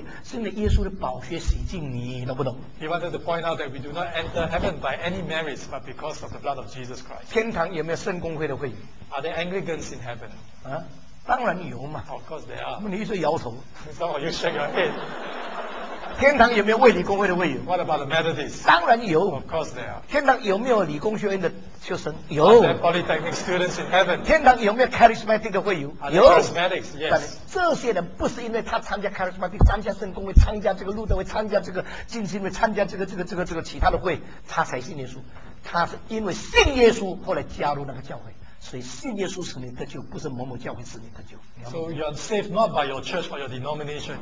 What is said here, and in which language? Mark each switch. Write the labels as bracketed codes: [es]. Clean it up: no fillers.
[zh] 他要告诉卫理公会的会友，你们进天堂不是因为参加卫理公会，是因为耶稣的宝血洗净你，懂不懂？ [en] He wanted to point out that we do not enter heaven by any merits but because of the blood of Jesus Christ. [zh] 天堂有没有圣公会的会友？ [en] Are there Anglicans in heaven? [zh] 当然有嘛。 [en] Of course there are. [zh] 那么你一直摇头。 [en] So you shake your head. [zh] 天堂有没有卫理公会的会员？ [en] What about the Methodists? [zh] 当然有。 [en] Of course there are. [zh] 天堂有没有理工学院的学生？有。 [en] Are there polytechnic students in heaven? [zh] 天堂有没有 charismatic 的会员？ [en] Are there charismatics? Yes. [zh] 但这些人不是因为他参加 charismatic， 参加圣公会，参加这个路德会，参加这个浸信会，参加这个其他的会，他才信耶稣。他是因为信耶稣，后来加入那个教会。所以信耶稣使你得救，不是某某教会使你得救。 [en] So you are saved not by your church or your denomination.